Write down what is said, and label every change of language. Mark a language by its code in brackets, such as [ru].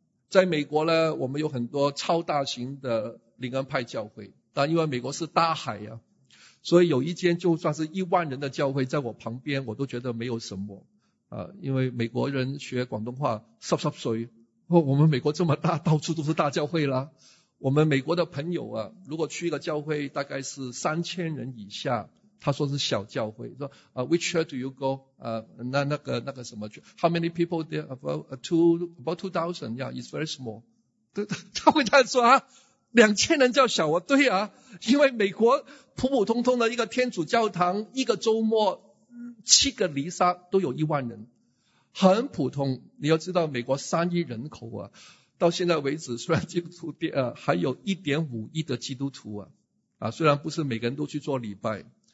[zh] 在美国呢，我们有很多超大型的灵恩派教会，但因为美国是大海啊，所以有一间就算是10000人的教会在我旁边，我都觉得没有什么啊，因为美国人学广东话湿湿水，我们美国这么大，到处都是大教会啦。我们美国的朋友啊，如果去一个教会大概是3000人以下，他说是小教会，说 [en] which church do you go？ [zh] 那个什么 [en] ，How many people there？ About 2000 yeah, it's very small。 [zh] 他会这样说啊，2000人叫小啊？对啊，因为美国普普通通的一个天主教堂，一个周末7个弥撒都有10000人，很普通。你要知道，美国3亿人口啊，到现在为止，虽然基督徒还有 1.5 亿的基督徒啊，虽然不是每个人都去做礼拜。